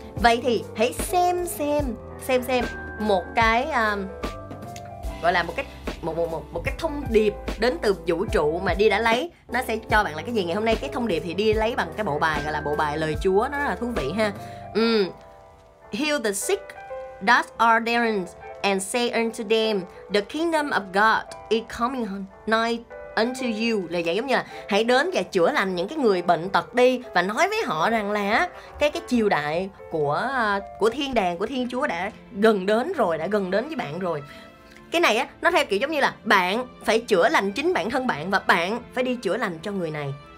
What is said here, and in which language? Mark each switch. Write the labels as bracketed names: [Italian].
[Vietnamese] Vậy thì hãy xem một cái gọi là một cái thông điệp đến từ vũ trụ mà Đi đã lấy, nó sẽ cho bạn là cái gì ngày hôm nay. Cái thông điệp thì Đi lấy bằng cái bộ bài gọi là bộ bài lời Chúa, nó rất là thú vị ha. [English] Heal the sick, dust our darrens, and say unto them, the kingdom of God is coming nigh unto you. [Vietnamese] Là vậy, giống như là hãy đến và chữa lành những cái người bệnh tật đi, và nói với họ rằng là cái triều đại của thiên đàng của Thiên Chúa đã gần đến với bạn rồi. Cái này á, nó theo kiểu giống như là bạn phải chữa lành chính bản thân bạn, và bạn phải đi chữa lành cho người này.